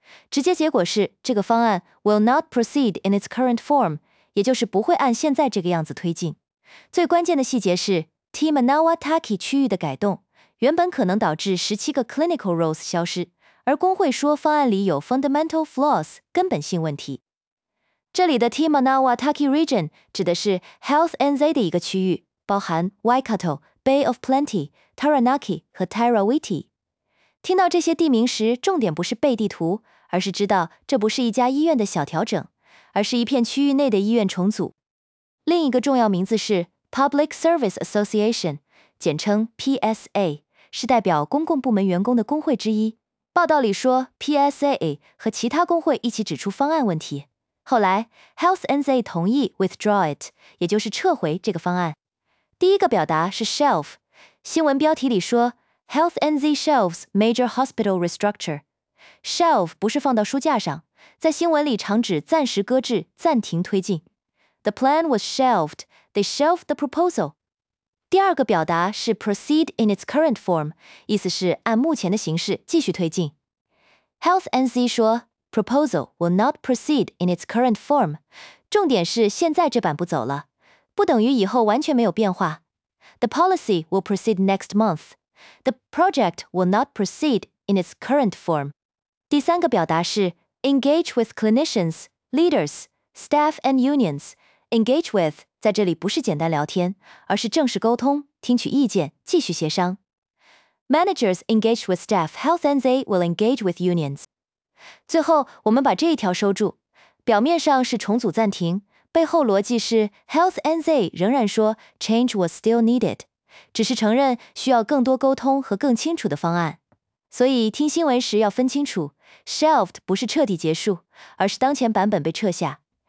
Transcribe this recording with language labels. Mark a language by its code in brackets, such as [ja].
[zh] 直接结果是这个方案 [en] will not proceed in its current form, [zh] 也就是不会按现在这个样子推进。最关键的细节是 Timanawataki 区域的改动原本可能导致17个 [en] clinical roles [zh] 消失，而工会说方案里有 [en] fundamental flaws [zh] 根本性问题。这里的 Timanawataki region 指的是 Health NZ 的一个区域，包含 Waikato, Bay of Plenty, Taranaki 和 Tairawiti。听到这些地名时，重点不是背地图，而是知道这不是一家医院的小调整，而是一片区域内的医院重组。另一个重要名字是 Public Service Association, 简称 PSA, 是代表公共部门员工的工会之一。报道里说 PSA 和其他工会一起指出方案问题。后来 Health NZ 同意 [en] withdraw it, [zh] 也就是撤回这个方案。第一个表达是 shelf, 新闻标题里说 [en] Health NZ shelves major hospital restructure. [zh] Shelf 不是放到书架上，在新闻里常指暂时搁置、暂停推进。 [en] The plan was shelved. They shelved the proposal. [zh] 第二个表达是 [en] proceed in its current form, [zh] 意思是按目前的形式继续推进。 [en] Health NZ 说 proposal will not proceed in its current form. [zh] 重点是现在这版不走了，不等于以后完全没有变化。 [en] The policy will proceed next month. The project will not proceed in its current form. [zh] 第三个表达是 [en] engage with clinicians, leaders, staff and unions. [zh] Engage with 在这里不是简单聊天，而是正式沟通，听取意见，继续协商。 [en] Managers engage with staff, Health NZ will engage with unions. [zh] 最后，我们把这一条收住。表面上是重组暂停，背后逻辑是 Health NZ 仍然说 [en] change was still needed. [zh] 只是承认需要更多沟通和更清楚的方案。所以听新闻时要分清楚 shelved 不是彻底结束，而是当前版本被撤下。